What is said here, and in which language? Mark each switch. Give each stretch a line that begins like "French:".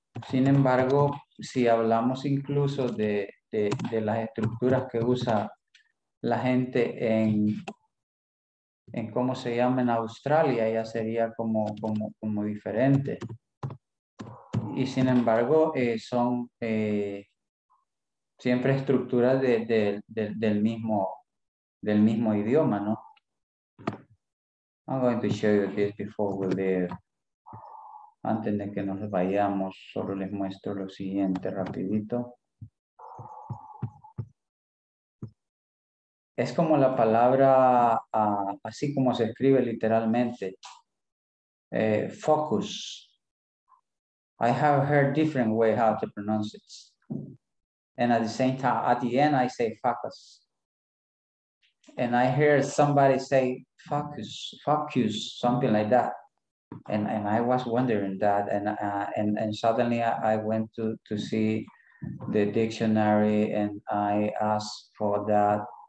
Spanish: Sin embargo, si hablamos incluso de las estructuras que usa la gente en cómo se llama en Australia, ya sería como diferente. Y sin embargo, son siempre estructuras del mismo idioma, ¿no?
English: I'm going to show you this before we leave.
Spanish: Antes de que nos vayamos, solo les muestro lo siguiente rapidito. Es como la palabra, así como se escribe literalmente, focus.
English: I have heard different way how to pronounce it. And at the same time, at the end, I say focus. And I hear somebody say focus, something like that. And I was wondering that, and suddenly I went to see the dictionary and I asked for that.